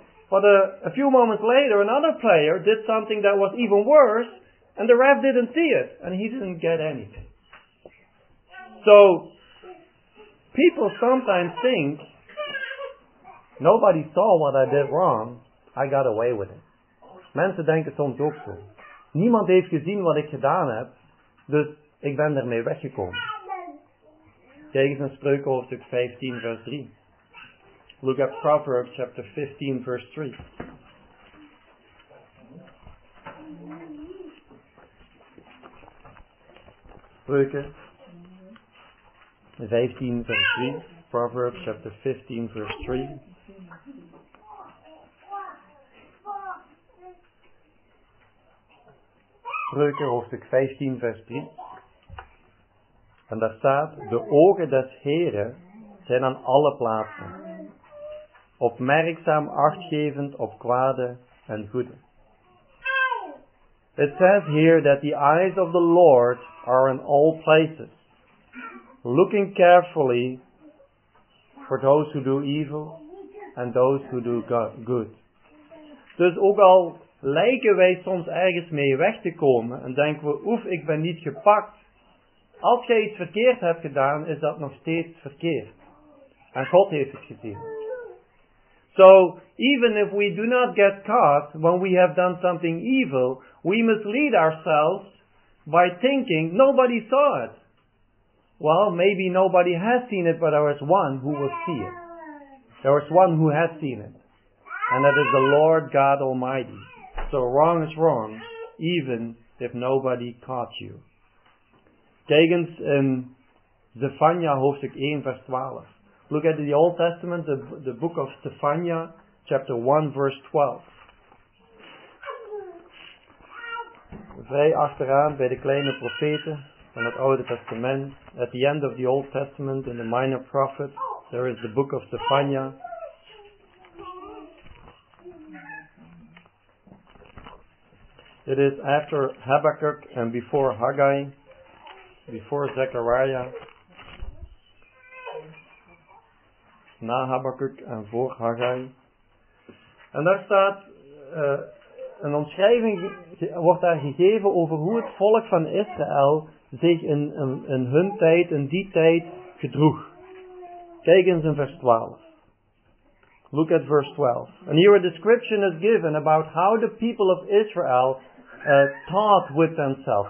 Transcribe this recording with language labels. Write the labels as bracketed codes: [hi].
[en] But a few moments later, another player did something that was even worse, and the ref didn't see it, and he didn't get anything. So, people sometimes think, nobody saw what I did wrong, I got away with it. [nl] Mensen denken soms ook zo. Niemand heeft gezien wat ik gedaan heb, dus ik ben ermee weggekomen. Kijk eens in Spreuken hoofdstuk 15 vers 3. [en] Look at Proverbs chapter 15 verse 3. [nl] Spreuken 15 verse 3. [en] Proverbs chapter 15 verse 3. [nl] Spreuken hoofdstuk 15 vers 3. En daar staat, de ogen des Heren zijn aan alle plaatsen. opmerkzaam achtgevend op kwade en goede. [en] It says here that the eyes of the Lord are in all places, looking carefully for those who do evil and those who do good. [nl] Dus ook al lijken wij soms ergens mee weg te komen en denken we, oef, ik ben niet gepakt. Als jij iets verkeerd hebt gedaan, is dat nog steeds verkeerd. En God heeft het gezien. [en] So, even if we do not get caught when we have done something evil, we mislead ourselves by thinking nobody saw it. Well, maybe nobody has seen it, but there is one who will see it. There is one who has seen it. And that is the Lord God Almighty. So wrong is wrong, even if nobody caught you. [nl] Tegens in Zephaniah hoofdstuk 1 vers 12. [en] Look at the Old Testament, the book of Zephaniah, chapter 1 verse 12. [nl] Vrij achteraan bij de kleine profeten van het Oude Testament. [en] At the end of the Old Testament, in the minor prophets, there is the book of Zephaniah. It is after Habakkuk and before Haggai, before Zechariah. [nl] Na Habakkuk en voor Haggai. En daar staat een omschrijving, wordt daar gegeven over hoe het volk van Israël zich in hun tijd, in die tijd, gedroeg. Kijk eens in vers 12. [en] Look at verse 12. And here a description is given about how the people of Israel thought with themselves.